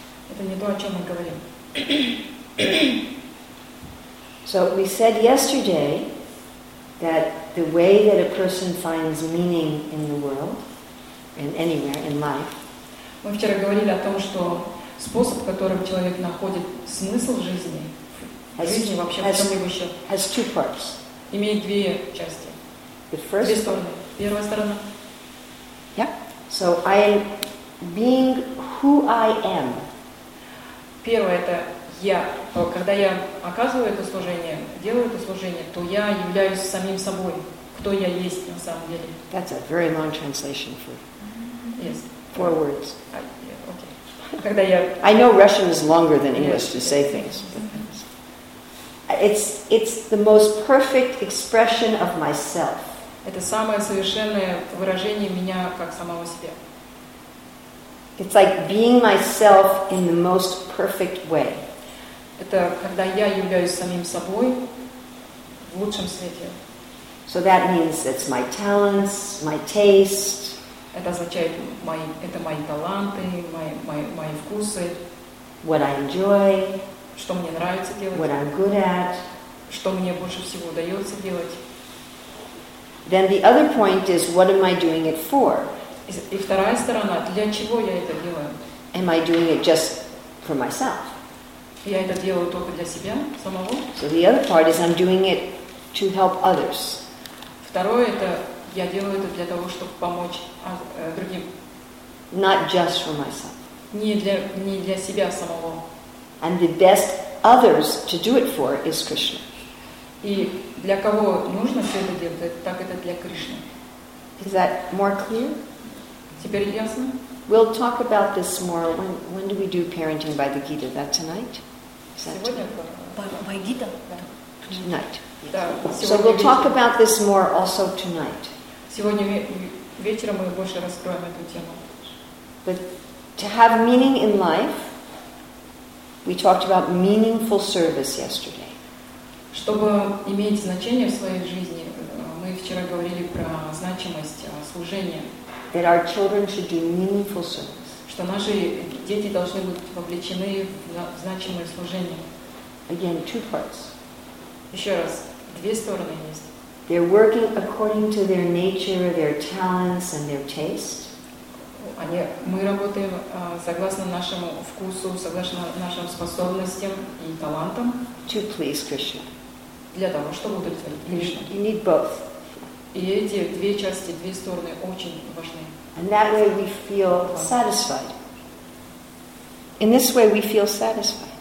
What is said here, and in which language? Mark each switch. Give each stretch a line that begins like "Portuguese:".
Russian: Это не то, о чем мы говорим.
English: So we said yesterday that the way that a person finds meaning in the world and anywhere in life.
Russian: Мы вчера говорили о том, что способ, которым человек находит смысл жизни,
English: has two parts.
Russian: Имеет две части.
English: The first.
Russian: Две стороны. Первая сторона.
English: Yeah. So I am being who I am.
Russian: Первое это я. Когда я оказываю это служение, делаю это служение, то я являюсь самим собой, кто я есть на самом деле.
English: That's a very long translation for. Yes. Four words.
Russian: Okay. Когда я.
English: I know Russian is longer than English to say things. It's the most perfect expression of myself.
Russian: Это самое совершенное выражение меня как самого себя.
English: It's like being myself in the most perfect way.
Russian: Это когда я являюсь самим собой в лучшем свете.
English: So that means it's my talents, my taste.
Russian: Это означает мои таланты, мои вкусы.
English: What I enjoy.
Russian: Что мне нравится делать?
English: What I'm good at.
Russian: Что мне больше всего удается делать?
English: Then the other point is, what am I doing it for?
Russian: И вторая сторона, для чего я это делаю?
English: Am I doing it just for myself?
Russian: Я это делаю только для себя самого.
English: So the other part is, I'm doing it to help others.
Russian: Второе это я делаю это для того, чтобы помочь другим.
English: Not just for myself.
Russian: Не для себя самого.
English: And the best others to do it for is Krishna.
Russian: И для кого нужно все это делать, так это для Кришны.
English: Is that more clear?
Russian: Теперь ясно?
English: We'll talk about this more. When do we do parenting by the Gita? That tonight? Is that
Russian: сегодня?
English: By Gita? Tonight.
Russian: Да,
English: so we'll talk about this more also tonight.
Russian: Сегодня вечером мы больше раскроем эту тему.
English: But to have meaning in life, we talked about meaningful service yesterday.
Russian: Чтобы иметь значение в своей жизни, мы вчера говорили про значимость служения.
English: That our children should do meaningful service.
Russian: Что наши дети должны быть вовлечены в значимое служение.
English: Again, two parts.
Russian: Еще раз, две стороны есть.
English: They're working according to their nature, their talents, and their taste.
Russian: Они, мы работаем согласно нашему вкусу, согласно нашим способностям и талантам.
English: To please Krishna.
Russian: Для того, чтобы удовлетворить Кришну.
English: You need both.
Russian: И эти две части, две стороны очень важны.
English: And that way we feel satisfied. In this way we feel satisfied.